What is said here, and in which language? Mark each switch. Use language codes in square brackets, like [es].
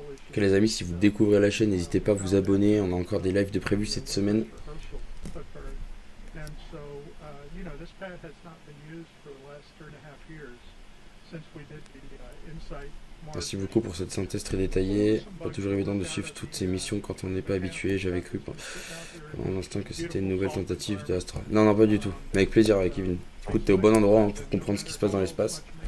[fr] Ok les amis, si vous découvrez la chaîne, n'hésitez pas à vous abonner, on a encore des lives de prévu cette semaine. [en] And so, you know, this pad has not been used for the last 3.5 years since we did the Insight. [fr] Merci beaucoup pour cette synthèse très détaillée. Pas toujours évident de suivre toutes ces missions quand on n'est pas habitué. J'avais cru pour un instant que c'était une nouvelle tentative de Astra. Non, non, pas du tout. Mais avec plaisir, avec Kevin. Écoute, t'es au bon endroit pour comprendre ce qui se passe dans l'espace.